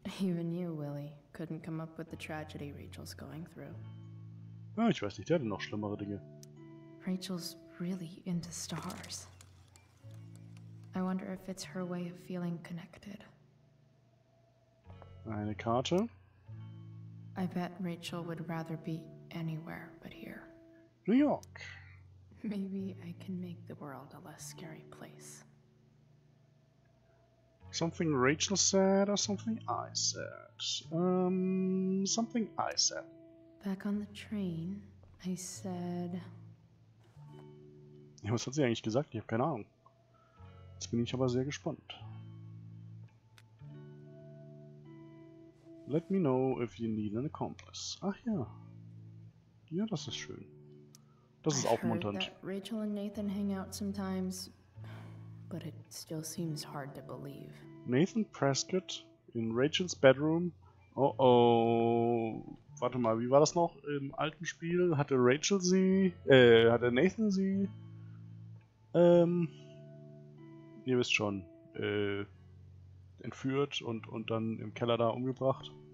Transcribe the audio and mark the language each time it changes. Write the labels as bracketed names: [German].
[English] Even you, Willy, couldn't come up with the tragedy Rachel's going through. [German] Ah, ich weiß nicht, der hatte noch schlimmere Dinge. [English] Rachel's really into stars. I wonder if it's her way of feeling connected. [German] Eine Karte. [English] I bet Rachel would rather be anywhere but here. New York. Maybe I can make the world a less scary place. Something Rachel said or something I said? Something I said. Back on the train, I said... [German] Ja, was hat sie eigentlich gesagt? Ich habe keine Ahnung. Jetzt bin ich aber sehr gespannt. [English] Let me know if you need an accomplice. [German] Ach ja. Ja, das ist schön. Das ist aufmunternd. [English] Rachel and Nathan hang out sometimes, but it still seems hard to believe. [German] Nathan Prescott in Rachels bedroom. Oh oh. Warte mal, wie war das noch im alten Spiel? Hatte Rachel sie? Hatte Nathan sie? Ihr wisst schon, entführt und dann im Keller da umgebracht.